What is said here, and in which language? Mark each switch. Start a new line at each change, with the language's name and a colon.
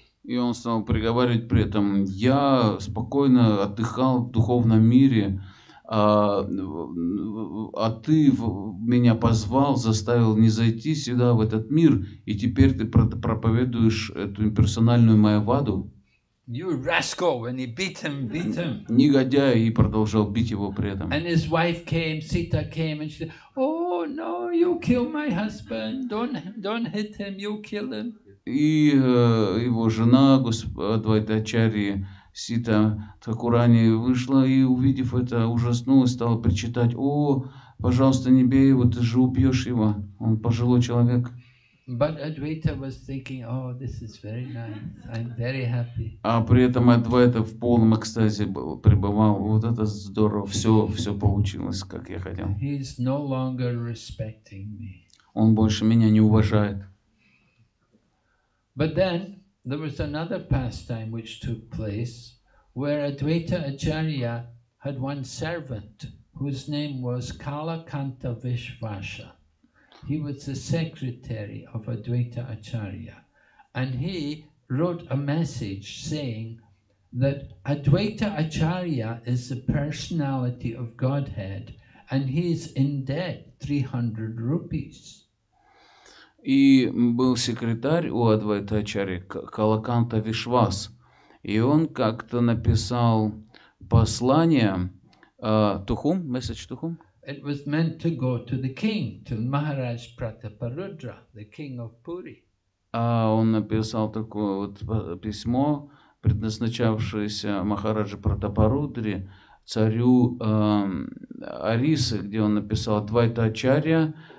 Russian: И он стал приговаривать при этом, я спокойно отдыхал в духовном мире, а ты меня позвал, заставил не зайти сюда, в этот мир, и теперь ты проповедуешь эту имперсональную Майаваду.
English: You rascal, when he beat him.
Russian: Негодяй, и продолжал бить его при этом.
English: And his wife came, Sita came, and she said, oh no, you kill my husband, don't hit him, you kill him.
Russian: И его жена, Адвайта Ачарьи, Сита Такурани, вышла и, увидев это, ужаснулась, стала причитать, о, пожалуйста, не бей его, ты же убьешь его, он пожилой человек.
English: But Advaita was thinking, oh, this is very nice. I'm very happy.
Russian: А при этом Адвайта в полном экстазе был, пребывал. Вот это здорово. Все получилось, как я хотел.
English: He's no longer respecting me.
Russian: Он больше меня не уважает.
English: But then there was another pastime which took place where Advaita Acharya had one servant whose name was Kalakanta Vishvasa. He was the secretary of Advaita Acharya, and he wrote a message saying that Advaita Acharya is the personality of Godhead, and he is in debt 300 rupees.
Russian: И был секретарь у Адвайта Ачарьи Калаканта Вишвас, и он как-то написал послание Тухум, message Тухум.
English: It was meant to go to the king, to Maharaj Prataparudra, the king of Puri.
Russian: Он написал такое вот письмо, предназначавшееся Махараджу Пратапарудре, царю Арисы, где он написал Адвайта Ачарья